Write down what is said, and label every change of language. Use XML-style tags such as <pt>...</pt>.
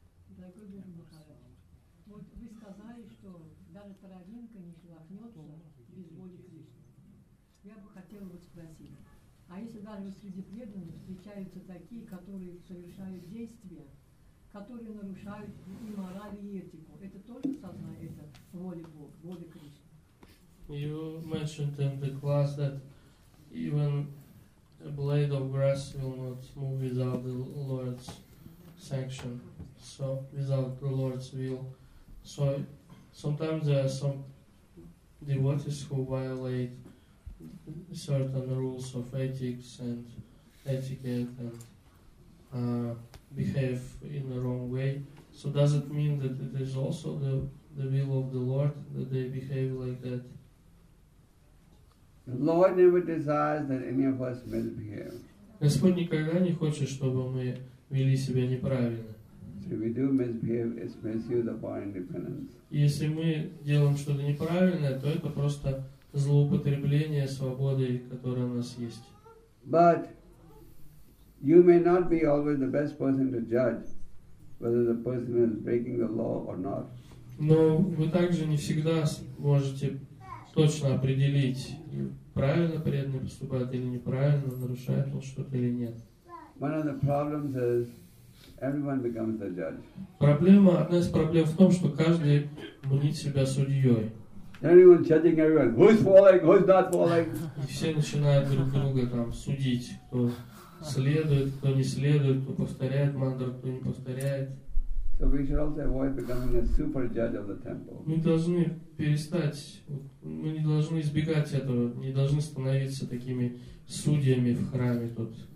<ru>Дорогой Гуру Махарадж, вот вы сказали, что даже травинка не шелохнется без воли Кришны. Я бы хотела вот спросить, а если даже среди преданных встречаются такие, которые совершают действия, которые нарушают и мораль, и этику. Это тоже сознание, это воля Бога, воля Кришны.</ru> <en>You mentioned in the class that even a blade of grass will not move without the Lord's sanction. So, without the Lord's will. So, sometimes there are some devotees who violate certain rules of ethics and etiquette and behave in the wrong way. So does it mean that it is also the will of the Lord that they behave like that? The Lord never desires that any of us misbehave.</en> <ru>Господь никогда не хочет, чтобы мы вели себя неправильно.</ru> <en>So if we do misbehave, it's misuse of our independence.</en> <ru>Если мы делаем что-то неправильное, то это просто злоупотребление свободой, которая у нас есть.</ru> <en>But you may not be always the best person to judge whether the person is breaking the law or not.</en> <ru>Но вы также не всегда можете точно определить, правильно преданный поступает или неправильно, нарушает он что-то или нет.</ru> <en>One of the problems is everyone becomes a judge.</en> <ru>Проблема, одна из проблем в том, что каждый мнит себя судьей.</ru> <en>Everyone judging everyone. Who's falling? Who's not falling?</en> <ru>И все начинают друг друга там судить, кто следует, кто не следует, кто повторяет мантру, кто не повторяет.</ru> <en>So we should also avoid becoming a super judge of the temple.</en> <ru>Мы должны перестать, мы не должны избегать этого, не должны становиться такими судьями в храме тут.</ru>